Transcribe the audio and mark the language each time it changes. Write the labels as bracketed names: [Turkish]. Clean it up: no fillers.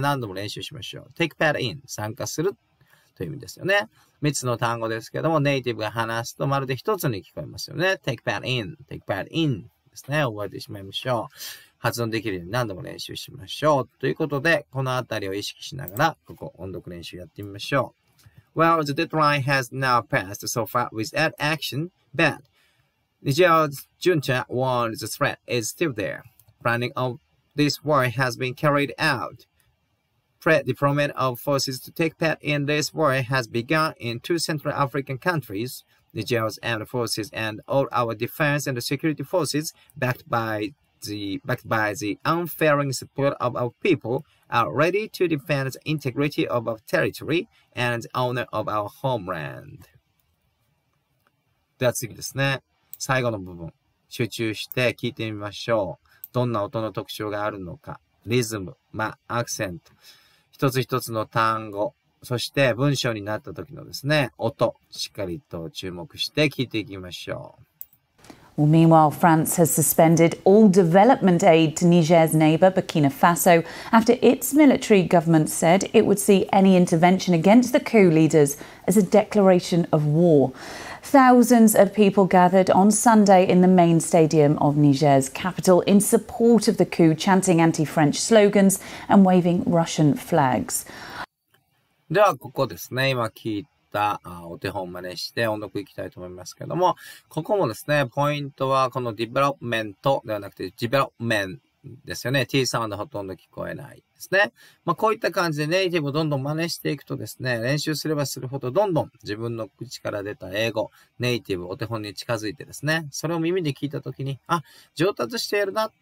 [Japanese] 何度も練習しましょう。take part in 参加するという意味ですよね。 3つの単語ですけども、ネイティブが話すとまるで1つに聞こえますよね。 take part in take part in ですね。覚えてしまいましょう。発音できるように何度も練習しましょう。ということで、このあたりを意識しながら、ここ、音読練習やってみましょう。 [English] Well, the deadline has now passed so far without action, but Niger's junta warned the threat is still there. Planning of this war has been carried out. Pre-deployment of forces to take part in this war has begun in two Central African countries. Niger's armed forces and all our defense and security forces, backed by the unfailing support of our people, are ready to defend the integrity of our territory and the honor of our homeland. [Japanese] では次ですね。最後の部分、集中して聞いてみましょう。どんな音の特徴があるのか。リズム、ま、アクセント、一つ一つの単語。そして文章になった時のですね、音、しっかりと注目して聞いていきましょう。 [English] Well, meanwhile, France has suspended all development aid to Niger's neighbor, Burkina Faso, after its military government said it would see any intervention against the coup leaders as a declaration of war. Thousands of people gathered on Sunday in the main stadium of Niger's capital in support of the coup, chanting anti-French slogans and waving Russian flags. [Japanese] では、ここですね。今聞いたお手本を真似して音読いきたいと思いますけども、ここもですね、ポイントはこのディベロップメントではなくてディベロップメンですよね。T サウンドほとんど聞こえないですね。まあ、こういった感じでネイティブをどんどん真似していくとですね、練習すればするほどどんどん自分の口から出た英語、ネイティブお手本に近づいてですね、それを耳で聞いたときに、あ、上達しているな。